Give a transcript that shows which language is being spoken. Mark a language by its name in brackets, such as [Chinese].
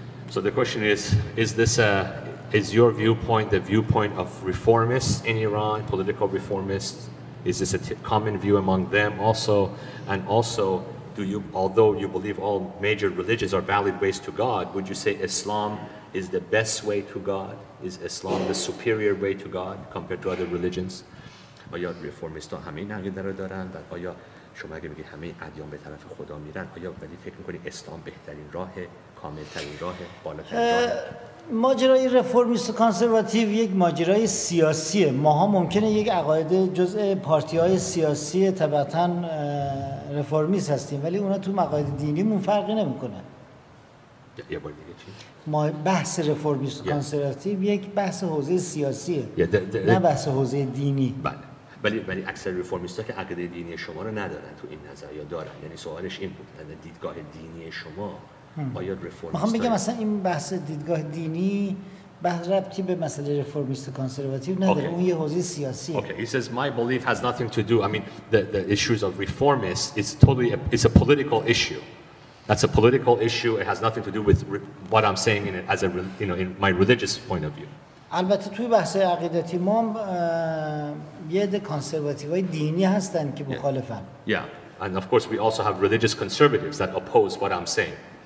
[English] So the question is this is your viewpoint the viewpoint of reformists in Iran, political reformists? Is this a common view among them also? And also, do you, although you believe all major religions are valid ways to God, would you say Islam is the best way to God? Is Islam the superior way to God compared to other religions? [Persian] آیا ریفورمیست ها همه این عقیده رو دارن؟ آیا شما اگه میگید همه ادیان به طرف خدا میرن، آیا ولی فکر میکنید اسلام بهترین راه، کاملترین راه، بالاترین راه؟ ماجرای ریفورمیست و کانسرواتیو یک ماجرای سیاسیه. ماها ممکنه یک عقاید جزء پارتی های سیاسی طبعتا ریفورمیست هستیم، ولی اونا تو مقاید دینیمون فرقی نمیکنه. یه بار دیگه چی؟ ما بحث رفورمیست و کانسرواتیو یک بحث حوزه سیاسیه. [English] Yeah, [Persian] نه بحث حوزه دینی. بله. ولی اکثر رفورمیست ها که عقیده دینی شما رو ندارن تو این نظر یا دارن؟ یعنی سوالش این بود، دیدگاه دینی شما آیا رفورمیست ها؟ ما بگم مثلا این بحث دیدگاه دینی بحث ربطی به مسئله رفورمیست و کانسرواتیو نداره. اون یه حوزه سیاسی. [English] Okay, he says my belief has nothing to do, I mean the issues of reformists is totally it's a political issue. That's a political issue. It has nothing to do with what I'm saying in it as a, you know, in my religious point of view. [Persian] البته توی بحث عقیدتی ما یه عده کانسرواتیوای دینی هستن که مخالفن. [English] Yeah. And of course we also have religious conservatives that oppose what I'm saying.